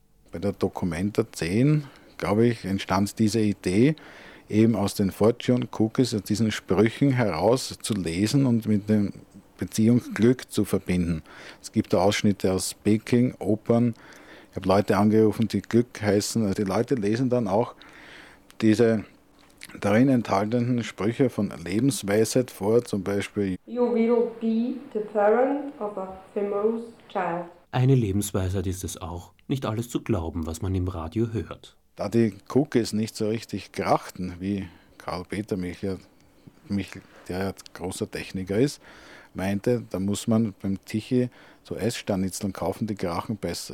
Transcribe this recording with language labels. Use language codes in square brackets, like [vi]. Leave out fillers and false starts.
[de] Bei der Documenta 10, glaube ich, entstand diese Idee, eben aus den Fortune-Cookies, aus diesen Sprüchen heraus zu lesen und mit der Beziehung Glück zu verbinden. Es gibt da Ausschnitte aus Peking, Opern. Ich habe Leute angerufen, die Glück heißen. Also die Leute lesen dann auch diese darin enthaltenen Sprüche von Lebensweisheit vor, zum Beispiel [en] You will be the parent of a famous child. [de] Eine Lebensweisheit ist es auch, nicht alles zu glauben, was man im Radio hört. Da die Cookies nicht so richtig krachten, wie Karl Petermichl, der ja großer Techniker ist, meinte, da muss man beim Tichy so Essstarnitzeln kaufen, die krachen besser.